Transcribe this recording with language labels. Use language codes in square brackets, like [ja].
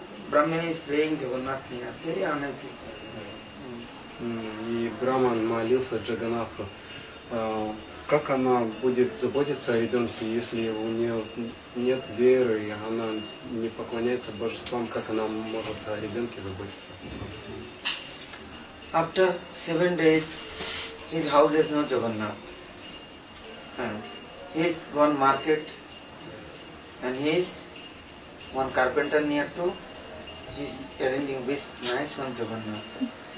[en] Brahman is praying Jagannath near, very unhappy. [ru] И Брахман молился Джаганнатху, как она будет заботиться о ребенке, если у нее нет веры, и она не поклоняется божествам, как она может о ребенке заботиться? [en] After 7 days, his house is not Jagannath. He is gone market, and he is one carpenter near to, he is arranging this nice one Jagannath.